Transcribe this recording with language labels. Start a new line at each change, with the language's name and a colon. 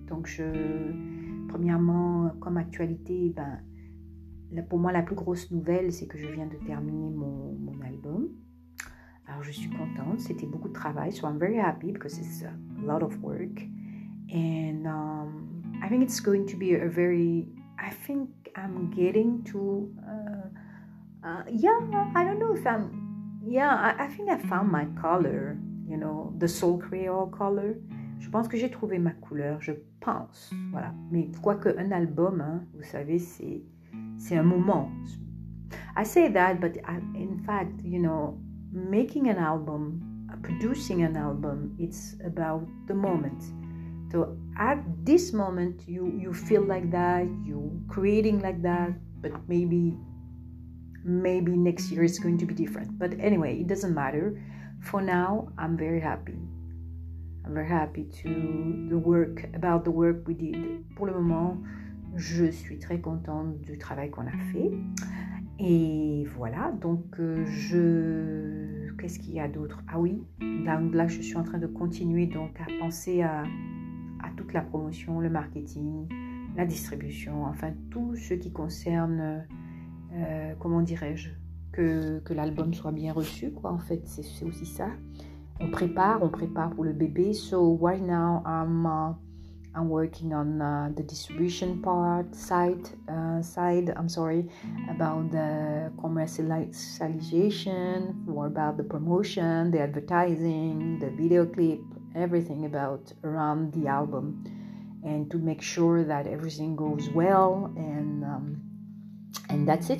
French: Donc, premièrement, comme actualité, pour moi, la plus grosse nouvelle, c'est que je viens de terminer mon album. Alors, je suis contente. C'était beaucoup de travail,
English: so I'm very happy because it's a lot of work. And I think it's going to be a very... I think I'm getting to... I don't know if I'm... Yeah, I think I found my color, you know, the Soul Creole color.
French: Je pense que j'ai trouvé ma couleur, je pense, voilà. Mais quoi que un album, hein, vous savez, c'est un moment.
English: I say that, but in fact, you know, making an album, producing an album, it's about the moment. So at this moment, you feel like that, you're creating like that, but maybe next year is going to be different. But anyway, it doesn't matter. For now, I'm very happy. I'm very happy to the work, about the work we did.
French: Pour le moment, je suis très contente du travail qu'on a fait. Et voilà, donc qu'est-ce qu'il y a d'autre? Ah oui, là, je suis en train de continuer donc à penser à toute la promotion, le marketing, la distribution, enfin tout ce qui concerne comment dirais-je, que l'album soit bien reçu, quoi, en fait, c'est aussi ça. On prépare pour le bébé.
English: So right now, I'm working on the distribution part, side, I'm sorry, about the commercialization, more about the promotion, the advertising, the video clip, everything about around the album, and to make sure that everything goes well, and that's it.